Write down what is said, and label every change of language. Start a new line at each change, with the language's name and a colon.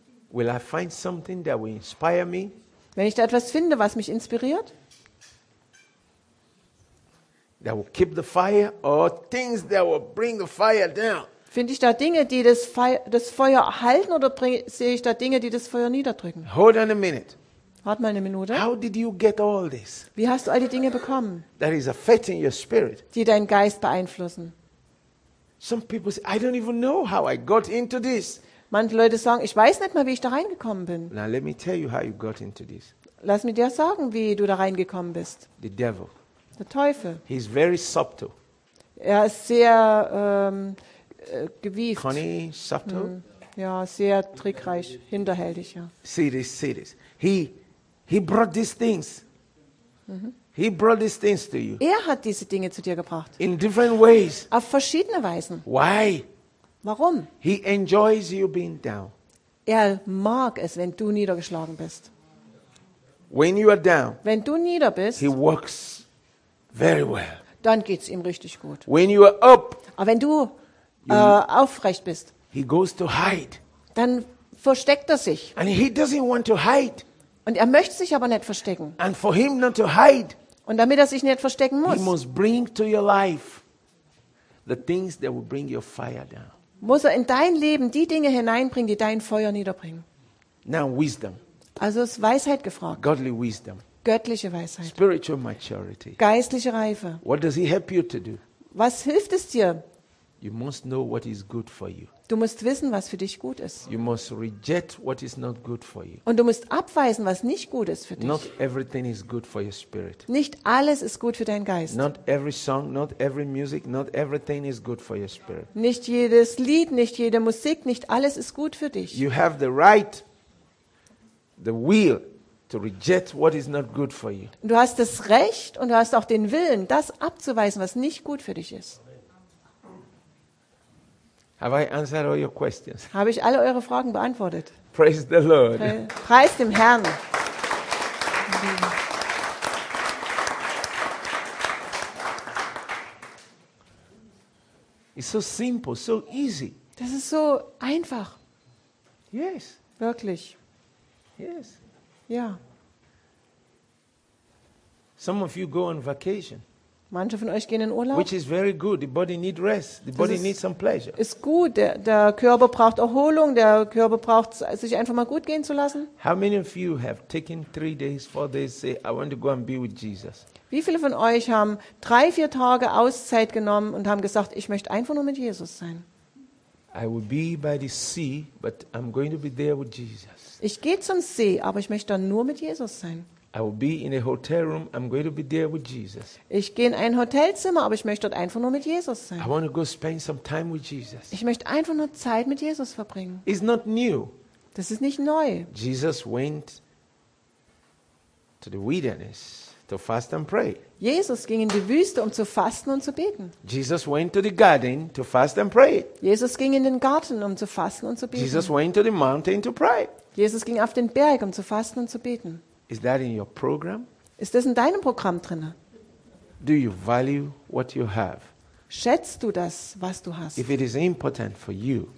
English: Will I find something that will inspire me?
German: Wenn ich da etwas finde, was mich inspiriert?
English: That will keep the fire or things that will bring the fire down?
German: Finde ich da Dinge, die das Feuer halten, oder sehe ich da Dinge, die das Feuer niederdrücken?
English: Hold on a minute.
German: Wart mal eine Minute.
English: How did you get all this?
German: Wie hast du all die Dinge bekommen?
English: That is affecting your spirit.
German: Die deinen Geist beeinflussen.
English: Some people say, I don't even know how I got into this.
German: Manche Leute sagen, ich weiß nicht mal, wie ich da reingekommen bin.
English: Now let me tell you how you got into this.
German: Lass mir dir sagen, wie du da reingekommen bist.
English: The devil.
German: Der Teufel.
English: He is very subtle.
German: Er ist sehr gewieft.
English: Funny, subtle. Hm.
German: Ja, sehr trickreich, hinterhältig, ja.
English: See this. He brought these things. He brought these things to you.
German: Er hat diese Dinge zu dir gebracht.
English: In different ways.
German: Auf verschiedene Weisen.
English: Why?
German: Warum?
English: He enjoys you being down.
German: Er mag es, wenn du niedergeschlagen bist.
English: When you are down.
German: Wenn du nieder bist.
English: He works very well.
German: Dann geht's ihm richtig gut.
English: When you are up.
German: Aber wenn du aufrecht bist.
English: He goes to hide.
German: Dann versteckt er sich.
English: And he doesn't want to hide.
German: Und er möchte sich aber nicht verstecken.
English: And for him not to hide.
German: Und damit er sich nicht verstecken muss.
English: He must bring to your life the things that will bring your fire down.
German: Muss er in dein Leben die Dinge hineinbringen, die dein Feuer niederbringen.
English: Now wisdom.
German: Also ist Weisheit gefragt.
English: Godly wisdom.
German: Göttliche Weisheit.
English: Spiritual maturity.
German: Geistliche Reife.
English: What does he help you to do?
German: Was hilft es dir?
English: You must know what is good for you.
German: Du musst wissen, was für dich gut ist.
English: You must reject what is not good for you.
German: Und du musst abweisen, was nicht gut ist für dich.
English: Not everything is good for your spirit.
German: Nicht alles ist gut für deinen Geist.
English: Not every song, not every music, not everything is good for your spirit.
German: Nicht jedes Lied, nicht jede Musik, nicht alles ist gut für dich.
English: You have the right, the will to reject what is not good for you.
German: Du hast das Recht und du hast auch den Willen, das abzuweisen, was nicht gut für dich ist.
English: Have I answered all your questions?
German: Habe ich alle eure Fragen beantwortet?
English: Praise the Lord.
German: Preist dem Herrn.
English: It's so simple, so easy.
German: Das ist so einfach.
English: Yes.
German: Wirklich.
English: Yes.
German: Ja.
English: Some of you go on vacation.
German: Manche von euch gehen in Urlaub.
English: Which is very good. The body needs rest. The body needs some pleasure.
German: Ist gut. Der Körper braucht Erholung. Der Körper braucht sich einfach mal gut gehen zu lassen.
English: How many of you have taken 3 days, 4 days, say, I want to go and be with Jesus?
German: Wie viele von euch haben 3-4 Tage Auszeit genommen und haben gesagt, ich möchte einfach nur mit Jesus sein?
English: I will be by the sea, but I'm going to be there with Jesus.
German: Ich gehe zum See, aber ich möchte dann nur mit Jesus sein.
English: I will be in a hotel room. I'm going to be there with Jesus.
German: Ich gehe in ein Hotelzimmer, aber ich möchte dort einfach nur mit Jesus sein.
English: I want to go spend some time with Jesus.
German: Ich möchte einfach nur Zeit mit Jesus verbringen.
English: It's not new.
German: Das ist nicht neu.
English: Jesus went to the wilderness to fast and pray.
German: Jesus ging in die Wüste, um zu fasten und zu beten.
English: Jesus went to the garden to fast and pray.
German: Jesus ging in den Garten, um zu fasten und zu beten.
English: Jesus went to the mountain to pray.
German: Jesus ging auf den Berg, um zu fasten und zu beten.
English: Is that in your program?
German: Ist das in deinem Programm drin?
English: Do you value what you have?
German: Schätzt du das, was du hast?
English: If it is important for you.